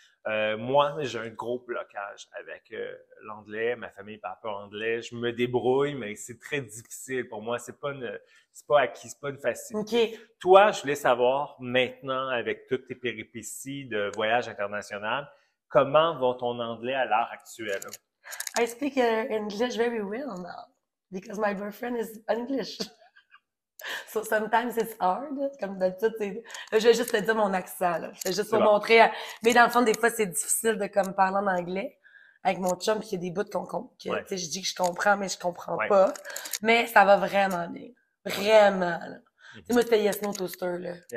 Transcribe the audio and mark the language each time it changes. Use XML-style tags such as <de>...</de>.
<fr>Moi, j'ai un gros blocage avec l'anglais. Ma famille parle pas anglais. Je me débrouille, mais c'est très difficile pour moi. C'est pas acquis, c'est pas une OK. facilité. Toi, je voulais savoir maintenant, avec toutes tes péripéties de voyage international, comment va ton anglais à l'heure actuelle?</fr> <en>I speak English very well now because my boyfriend is English. So sometimes it's hard.</en> <fr>Comme d'habitude, c'est. Là, je vais juste te dire mon accent, là. C'est juste C'est pour bon. montrer. À. Mais dans le fond, des fois, c'est difficile de comme parler en anglais avec mon chum, puis il y a des bouts qu'on compte. Que, tu sais, je dis que je comprends, mais je comprends pas. Mais ça va vraiment bien. Vraiment, là. Tu sais, moi, c'était</fr> <en>Yes No Toaster,</en> <fr>là.</fr>